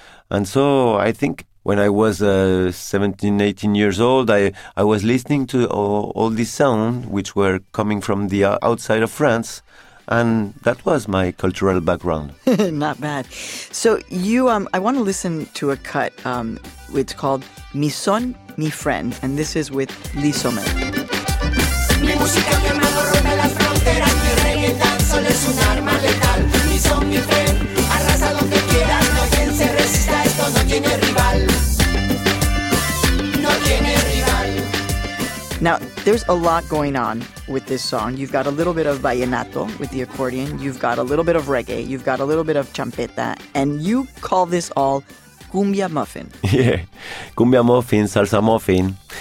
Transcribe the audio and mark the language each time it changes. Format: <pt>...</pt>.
<en>And so I think when I was 17, 18 years old, I was listening to all these sounds which were coming from the outside of France. And that was my cultural background. Not bad. So you, I want to listen to a cut. It's called Mi Son, Mi Friend. And this is with Lee Sommer.</en> <es>Mi música que me rompe las fronteras, mi reggaetón solo es un arma letal. Mi son, mi friend, arrasa donde quiera, no hay quien se resista, esto no tiene rival. No tiene rival.</es> <en>Now, there's a lot going on with this song. You've got a little bit of vallenato with the accordion, you've got a little bit of reggae, you've got a little bit of champeta, and you call this all cumbia muffin. Yeah, cumbia muffin, salsa muffin.</en>